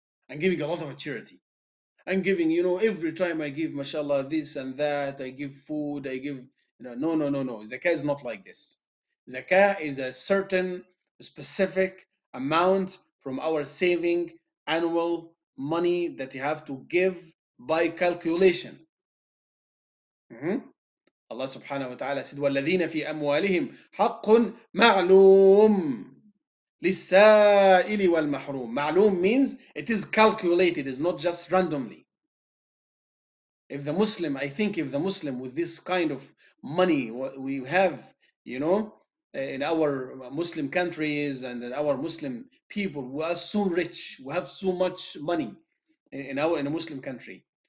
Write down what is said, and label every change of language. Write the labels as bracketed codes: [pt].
[en] I'm giving a lot of charity. I'm giving, you know, every time I give, mashallah, this and that, I give food, I give, you know, no. Zakah is not like this. Zakah is a certain specific amount from our saving annual money that you have to give by calculation. Allah subhanahu wa ta'ala said, [ar] وَالَّذِينَ فِي أَمْوَالِهِمْ حَقٌ مَعْلُومٌ لِلسَّائِلِ وَالْمَحْرُومِ. [en] Ma'loom means it is calculated, it's not just randomly. If the Muslim, I think if the Muslim with this kind of money what we have, you know, in our Muslim countries and in our Muslim people, we are so rich, we have so much money in a Muslim country.